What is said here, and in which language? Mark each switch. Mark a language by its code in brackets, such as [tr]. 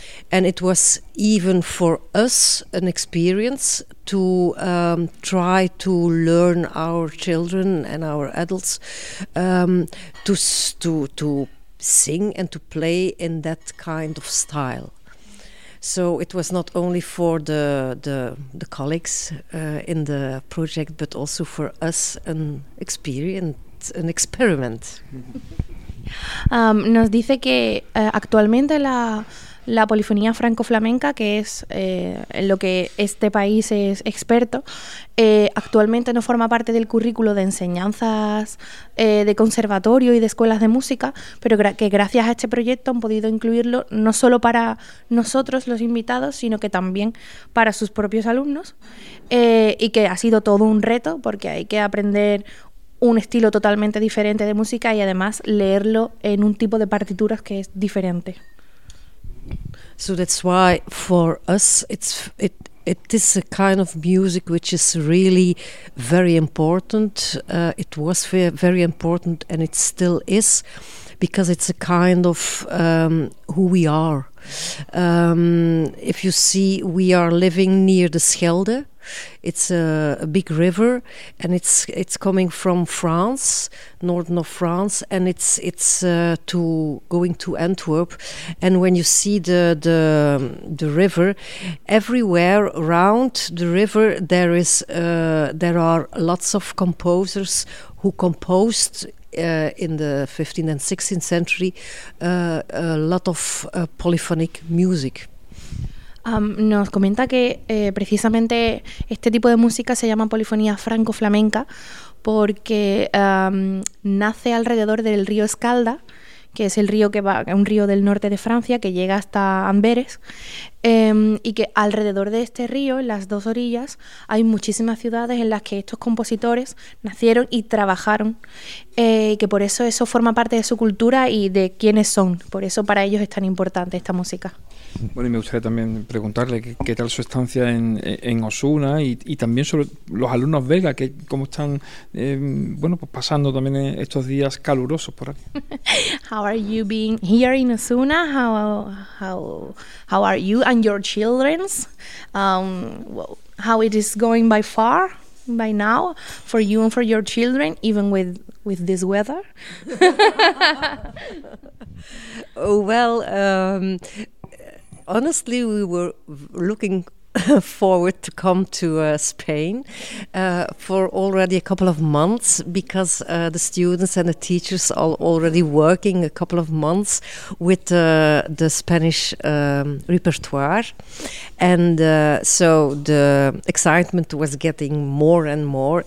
[en] And it was even for us an experience to try to learn our children and our adults to sing and to play in that kind of style. So it was not only for the colleagues in the project, but also for us an experience, an experiment. [es] Nos dice que actualmente la polifonía franco-flamenca, que es en lo que este país es experto, actualmente no forma parte del currículo de enseñanzas de conservatorio y de escuelas de música, pero que gracias a este proyecto han podido incluirlo no solo para nosotros los invitados, sino que también para sus propios alumnos, y que ha sido todo un reto porque hay que aprender un estilo totalmente diferente de música y además leerlo en un tipo de partituras que es diferente. [en] So that's why for us it is a kind of music which is really very important. It was very important and it still is, because it's a kind of who we are. If you see, we are living near the Schelde. It's a big river, and it's coming from France, northern of France, and it's to going to Antwerp. And when you see the river, everywhere around the river there are lots of composers who composed in the 15th and 16th century a lot of polyphonic music. [es] Nos comenta que precisamente este tipo de música se llama polifonía franco-flamenca porque nace alrededor del río Escalda, que es el río que va, un río del norte de Francia que llega hasta Amberes, y que alrededor de este río, en las dos orillas, hay muchísimas ciudades en las que estos compositores nacieron y trabajaron, y que por eso forma parte de su cultura y de quiénes son. Por eso para ellos es tan importante esta música. Bueno, y me gustaría también preguntarle qué tal su estancia en Osuna y también sobre los alumnos belgas, que cómo están pasando también estos días calurosos por aquí. [en] How are you being here in Osuna? How are you and your children? How it is going by far by now for you and for your children, even with this weather? Well, honestly, we were looking forward to come to Spain for already a couple of months, because the students and the teachers are already working a couple of months with the Spanish repertoire, and so the excitement was getting more and more.